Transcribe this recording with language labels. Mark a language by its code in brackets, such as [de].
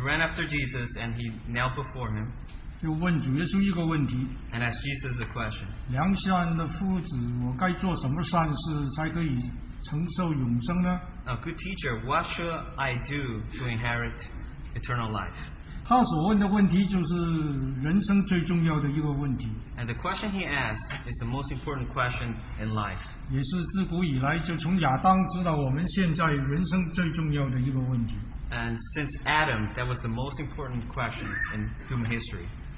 [en] ran after Jesus and he knelt before him. [zh] 就问主耶稣一个问题。 [en] And asked Jesus a question. [zh] 良善的夫子，我该做什么善事才可以？承受永生呢? [en] A good teacher, what should I do to inherit eternal life? [zh] 他所问的问题就是人生最重要的一个问题。 [en] And the question he asked is the most important question in life. [zh] 也是自古以来就从亚当直到我们现在人生最重要的一个问题。 [en] And since Adam, that was the most important question in human history.